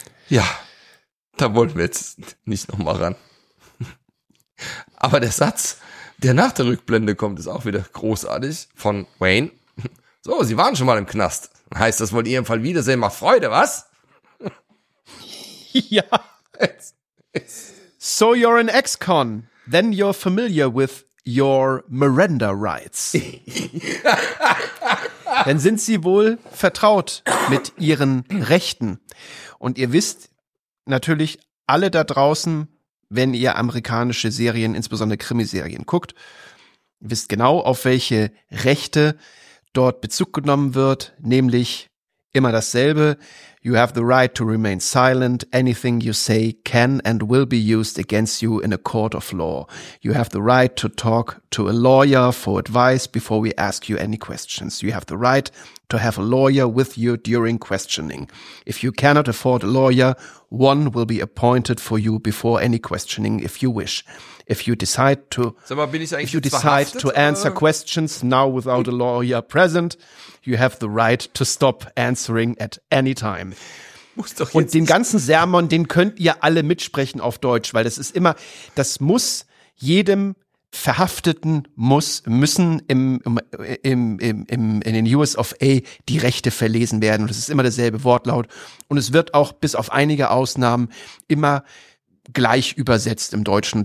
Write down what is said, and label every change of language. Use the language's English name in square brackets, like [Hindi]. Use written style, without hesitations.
[German] Ja, da wollten wir jetzt nicht nochmal ran. Aber der Satz, der nach der Rückblende kommt, ist auch wieder großartig von Wayne. So, sie waren schon mal im Knast. Heißt, das wollt ihr im Fall wiedersehen, macht Freude, was? Ja. [English] So you're an ex-con, then you're familiar with your Miranda rights. [German] Dann sind sie wohl vertraut mit ihren Rechten. Und ihr wisst natürlich alle da draußen, wenn ihr amerikanische Serien, insbesondere Krimiserien, guckt. Ihr wisst genau, auf welche Rechte dort Bezug genommen wird, nämlich immer dasselbe. [English] You have the right to remain silent. Anything you say can and will be used against you in a court of law. You have the right to talk to a lawyer for advice before we ask you any questions. You have the right to have a lawyer with you during questioning. If you cannot afford a lawyer, one will be appointed for you before any questioning if you wish. If you decide to, [German] sag mal, bin ich eigentlich [English] if you decide to answer [German] oder? [English] Questions now without a lawyer present, you have the right to stop answering at any time. [German] Muss doch und den ganzen Sermon, den könnt ihr alle mitsprechen auf Deutsch, weil das ist immer, das muss jedem Verhafteten müssen in den US of A die Rechte verlesen werden. Und das ist immer dasselbe Wortlaut. Und es wird auch bis auf einige Ausnahmen immer gleich übersetzt im Deutschen.